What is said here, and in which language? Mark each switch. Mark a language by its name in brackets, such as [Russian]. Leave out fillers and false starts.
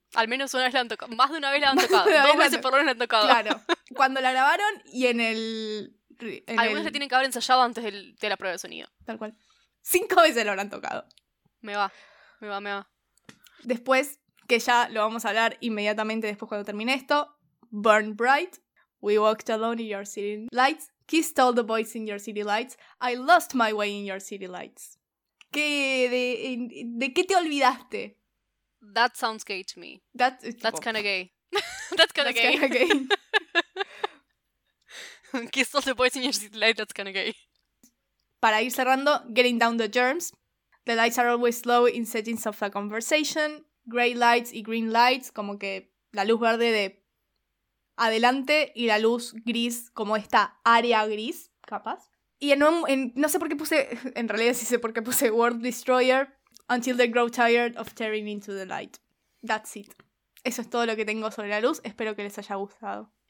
[Spanish] Al menos una vez la han tocado. Más de una vez la han tocado. Dos veces por lo menos la han tocado. Claro. Cuando la grabaron y en el... Algunos la tienen que haber ensayado antes de la prueba de sonido. Tal cual. 5 veces la habrán tocado. Me va. Después, que ya lo vamos a hablar inmediatamente después cuando termine esto. Burn Bright. [English] We walked alone in your city lights. Kissed all the boys in your city lights. I lost my way in your city lights. [Spanish] ¿Qué? ¿De qué te olvidaste? [English] That sounds gay to me. That's kind of gay. That's kind of gay. Kissed all the boys in your city lights. That's kind of gay. [Spanish] Para ir cerrando, [English] getting down the germs. The lights are always low in settings of the conversation. Gray lights [Spanish] y [English] green lights. [Spanish] Como que la luz verde de... adelante, y la luz gris, como esta área gris, capaz. Y no sé por qué puse, en realidad sí sé por qué puse World Destroyer, [English] until they grow tired of tearing into the light. That's it. [Spanish] Eso es todo lo que tengo sobre la luz, espero que les haya gustado.